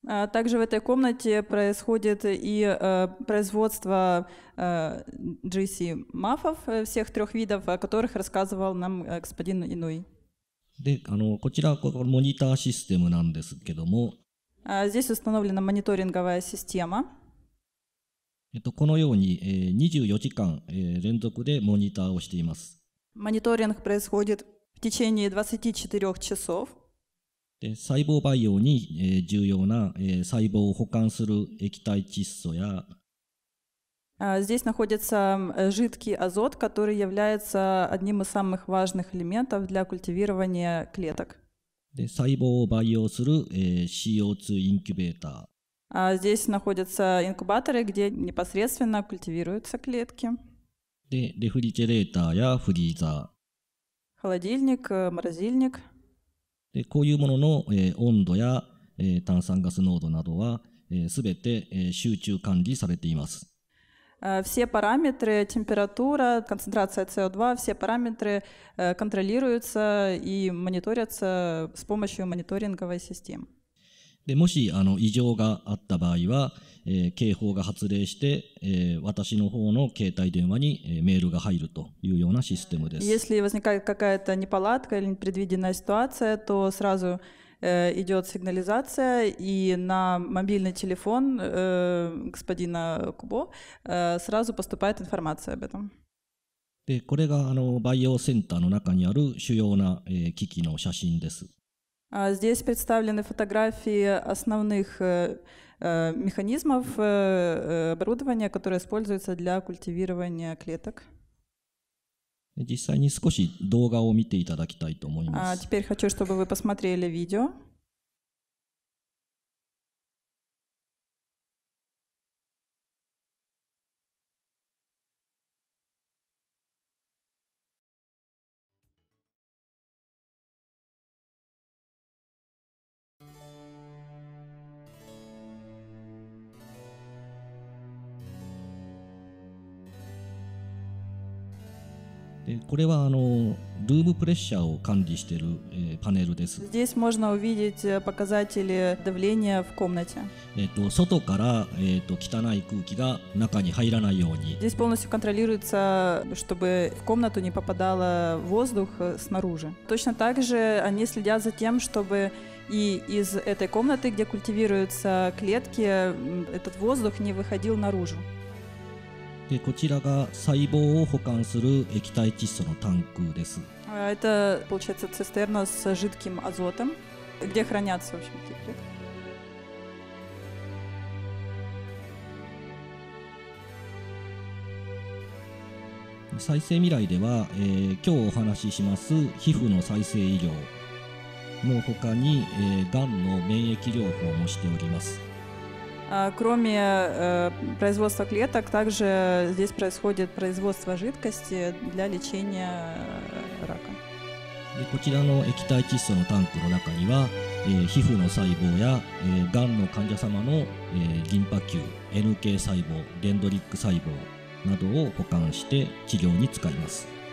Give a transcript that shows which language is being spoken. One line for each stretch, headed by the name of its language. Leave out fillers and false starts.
Russian: также в этой комнате происходит и производство GC мафов всех трех видов, о которых рассказывал нам господин Инуй.
Japanese: であのこちらはここモニターシステムなんですけども、
Russian: Здесь установлена мониторинговая система.
Japanese: このように、24時間、連続でモニターをしています。
Russian: Мониторинг происходит в течение 24 часов.
Japanese: で細胞培養に、重要な、細胞を保管する液体窒素や、
Russian: Здесь находится жидкий азот, который является одним из самых важных элементов для культивирования клеток.
Japanese: で細胞を培養する、CO2 インキュベーター。
Russian: Здесь находятся инкубаторы, где непосредственно культивируются клетки.
Japanese: で、レフリジェレーターやフリーザー。
Russian: Холодильник, морозильник.
Japanese: で、こういうものの、温度や、炭酸ガス濃度などは、すべて、集中管理されています。
Russian: Все параметры, температура, концентрация CO2, все параметры контролируются и мониторятся с помощью мониторинговой системы.
Japanese: で、もしあの異常があった場合は、警報が発令して、私の方の携帯電話に、メールが入るというようなシステムです。
Russian: Если возникает какая-то неполадка или непредвиденная ситуация, то сразу идет сигнализация, и на мобильный телефон господина Кубо сразу поступает информация об этом.
Japanese: で、これがあのバイオセンターの中にある主要な、機器の写真です。
Russian: Здесь представлены фотографии основных механизмов оборудования, которые используются для культивирования клеток.
Japanese: 実際に少し動画を見ていただきたいと思います。
Russian: Теперь хочу, чтобы вы посмотрели видео.
Japanese: これはあのルームプレッシャーを管理している、パネルです。
Russian: Здесь можно увидеть показатели давления в комнате.
Japanese: 外から、汚い空気が中に入らないように。
Russian: Здесь полностью контролируется, чтобы в комнату не попадало воздух снаружи. Точно так же они следят за тем, чтобы и из этой комнаты, где культивируются клетки, этот воздух не выходил наружу.
Japanese: でこちらが細胞を保管する液体窒素のタンクです。
Russian: Это получается цистерна с жидким азотом, где хранятся, в общем-то, клетки.
Japanese: 再生未来では、今日お話しします皮膚の再生医療の他に、がんの免疫療法もしております。
Russian: Кроме производства клеток, также здесь происходит производство жидкости для лечения рака.
Japanese: И こちらの液体窒素のタンクの中には、皮膚の細胞や、がんの患者様の、リンパ球、NK 細胞、デンドリック細胞などを保管して治療に使います。